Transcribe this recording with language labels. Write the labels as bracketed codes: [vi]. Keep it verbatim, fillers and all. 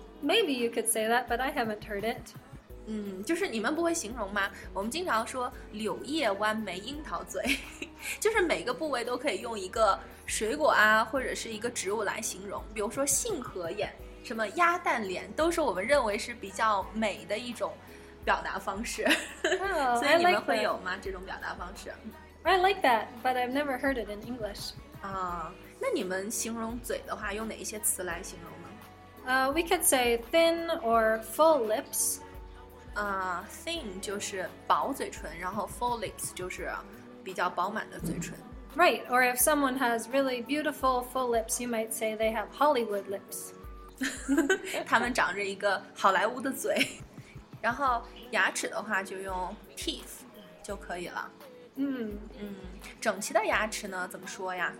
[en] Maybe you could say that, but I haven't heard it. [zh] 嗯，就是你们不会形容吗？我们经常说柳叶弯眉樱桃嘴，就是每个部位都可以用一个水果啊，或者是一个植物来形容，比如说杏核眼、什么鸭蛋脸，都是我们认为是比较美的一种表达方式。 [en] Oh, [zh] 所以你们会有吗、like、这种表达方式？ [en] I like that, but I've never heard it in English. [zh] 啊、uh, 那你们形容嘴的话用哪一些词来形容呢？ [en] uh, We could say thin or full lips. [zh] uh, Thin 就是薄嘴唇，然后 full lips 就是比较饱满的嘴唇。 [en] Right, or if someone has really beautiful full lips, you might say they have Hollywood lips. [zh] 他们长着一个好莱坞的嘴。然后牙齿的话就用 teeth 就可以了。嗯嗯，整齐的牙齿呢怎么说呀？